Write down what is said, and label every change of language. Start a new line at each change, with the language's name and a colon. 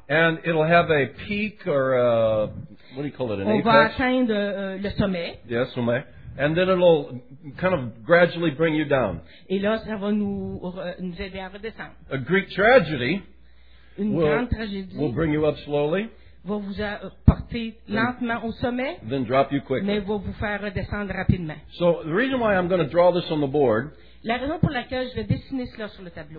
English: And it'll have a peak or a, what do you call it, an on apex?
French: Va atteindre le sommet.
English: Yes, sommet. And then it'll kind of gradually bring you down.
French: Et là, ça va nous aider à redescendre.
English: A Greek tragedy will bring you up slowly.
French: Va vous porter lentement au sommet,
English: then drop you quickly.
French: Mais va vous faire redescendre rapidement.
English: So the reason why I'm going to draw this on the board,
French: la raison pour laquelle je vais dessiner cela sur le tableau,